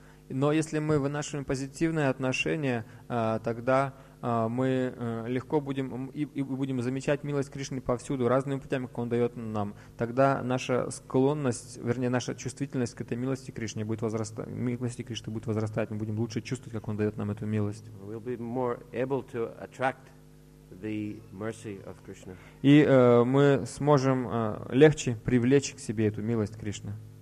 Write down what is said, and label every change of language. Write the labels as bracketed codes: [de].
[ru] Но если мы вынашиваем позитивное отношение, тогда мы легко будем и будем замечать милость Кришны повсюду, разными путями, как Он дает нам, тогда наша склонность, вернее, наша чувствительность к этой милости Кришны будет возрастать, милости Кришны будет возрастать, мы будем лучше чувствовать, как Он дает нам эту милость. [en] We'll be more able to attract the mercy of Krishna. [ru] И мы сможем легче привлечь к себе эту милость Кришны.